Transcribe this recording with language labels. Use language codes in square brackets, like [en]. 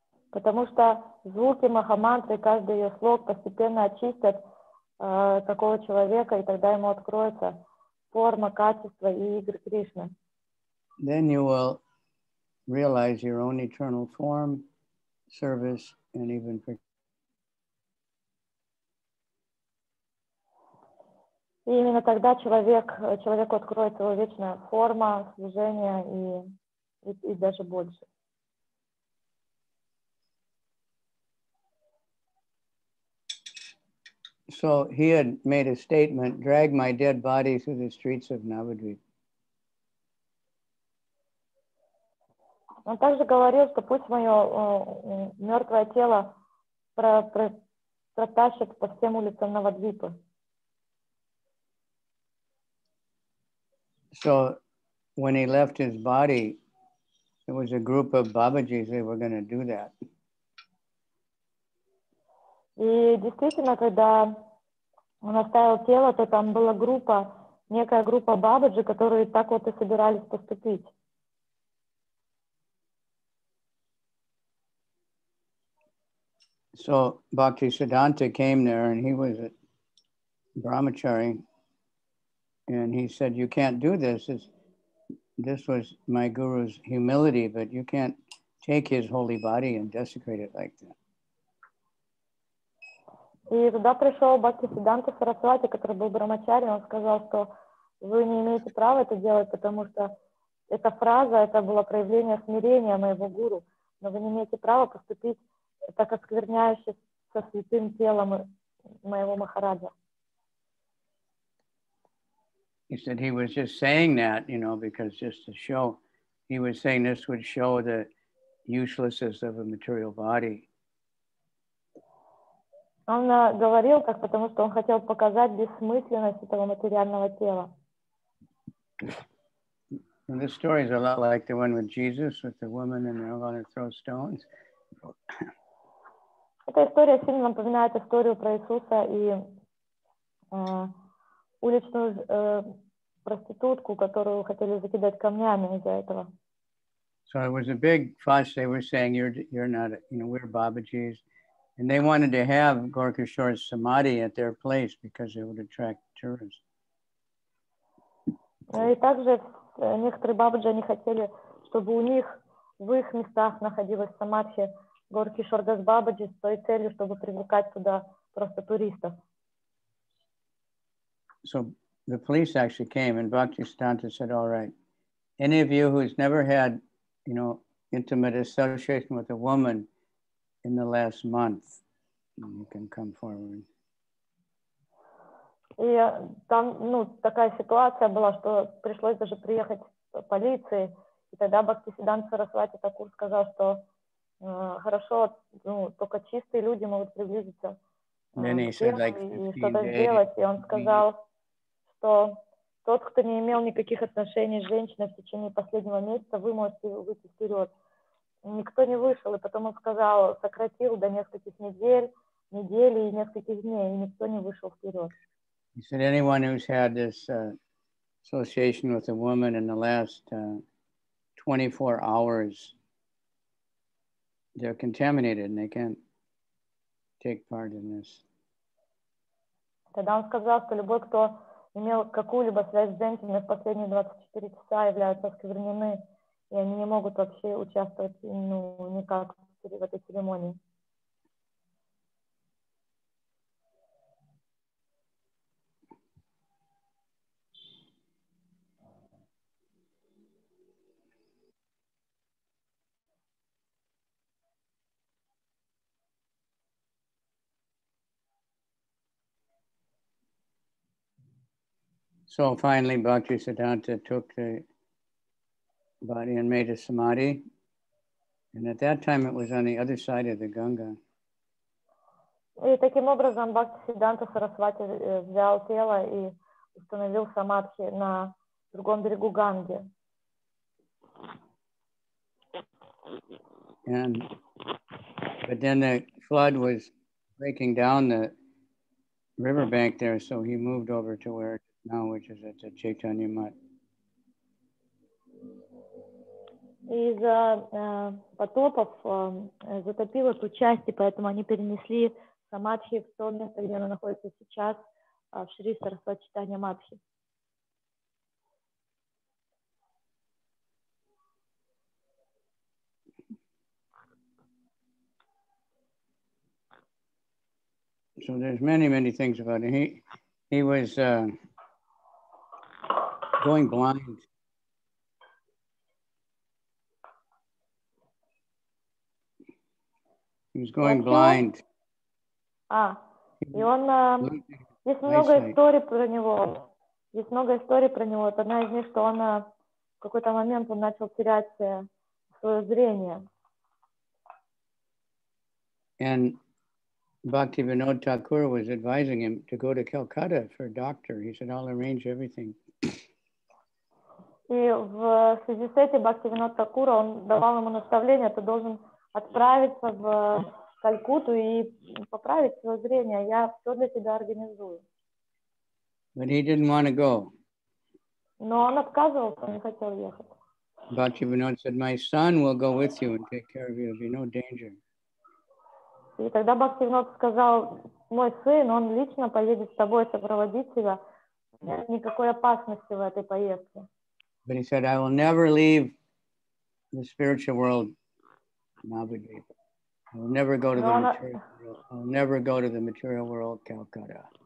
[ru] Потому что звуки Махамантры, каждый ее слог постепенно очистят такого человека, и тогда ему откроется форма, качество и игры Кришны. [en] Then you will realize your own eternal form, service, and even... [ru] И именно тогда человеку откроется его вечная форма, служение и даже больше. [en] So he had made a statement, drag my dead body through the streets of Navadvip. [ru] Он также говорил, что пусть мое мертвое тело протащит по всем улицам Навадвипа. [en] So when he left his body, there was a group of Babaji's, they were going to do that. [ru] И действительно, когда он оставил тело, то там была группа, некая группа бабаджи, которые так вот и собирались поступить. [en] So Bhakti Siddhanta came there and he was a brahmachari and he said, you can't do this. This was my guru's humility, but you can't take his holy body and desecrate it like that. [ru] И туда пришел Бхактисиддханта Сарасвати, который был брахмачари, он сказал, что вы не имеете права это делать, потому что эта фраза, это было проявление смирения моего гуру, но вы не имеете права поступить так оскверняюще со святым телом моего Махараджа. [en] He said he was just saying that, you know, because just to show, he was saying this would show the uselessness of a material body. [ru] Он говорил, как потому что он хотел показать бессмысленность этого материального тела. [en] And this story is a lot like the one with Jesus, with the woman and they're going to throw stones. [ru] Эта история сильно напоминает историю про Иисуса и уличную проститутку, которую хотели закидать камнями из-за этого. [en] So it was a big fuss. They were saying, you're not, you know, we're Babaji's. And they wanted to have Gaur Kishore's samadhi at their place because it would attract tourists. [ru] И также некоторые бабаджи не хотели, чтобы у них в их местах находилась самадхи Гаур Кишор дас Бабаджи с той целью, чтобы привлекать туда просто туристов. [en] So the police actually came, and Bhakti Siddhanta said, "All right, any of you who's never had, you know, intimate association with a woman in the last month, you can come forward." [ru] И там, ну, такая ситуация была, что пришлось даже приехать полиции. И тогда Бхактисиддханта Сарасвати Такур сказал, что хорошо, ну, только чистые люди могут приблизиться к Кришне и что-то сделать. И он сказал, что тот, кто не имел никаких отношений с женщиной в течение последнего месяца, вы можете выйти вперед. Никто не вышел, и потом он сказал, сократил до нескольких недель, недели и нескольких дней, и никто не вышел вперед. [en] He said, anyone who's had this association with a woman in the last 24 hours, they're contaminated and they can't take part in this. [ru] Тогда он сказал, что любой, кто имел какую-либо связь с женщиной в последние 24 часа, являются осквернены, и они не могут вообще участвовать, ну, никак в этой церемонии. [en] So finally, Bhaktisiddhanta took the body and made a samadhi. And at that time, it was on the other side of the Ganga. [ru] И таким образом Бхактисиддханта Сарасвати взял тело и установил самадхи на другом берегу Ганги. [en] And but then the flood was breaking down the riverbank there, so he moved over to where. Now, which is at the Chaitanya Mat. [ru] Из-за потопов затопило ту часть, и поэтому они перенесли самадхи в то место, где она находится сейчас, в Шри Сарасвати Чайтанья Матхи. [en] So there's many, many things about it. He was going blind. He was going blind. [ru] И он есть много историй про него. Есть много историй про него. Одна из них, что он в какой-то момент он начал терять свое зрение. [en] And Bhaktivinod Thakur was advising him to go to Calcutta for a doctor. He said, "I'll arrange everything." [ru] И в связи с этим Бхактивинод Такура, он давал ему наставление, ты должен отправиться в Калькутту и поправить свое зрение, я все для тебя организую. [en] But he didn't want to go. [ru] Но он отказывался, он не хотел ехать. [en] Бхактивинод said, my son will go with you and take care of you, there'll be no danger. [ru] И тогда Бхактивинод сказал, мой сын, он лично поедет с тобой сопроводить тебя, нет никакой опасности в этой поездке. [en] But he said, I will never leave the spiritual world, Navadvipa. I will never go to the material world. I'll never go to the material world, Calcutta.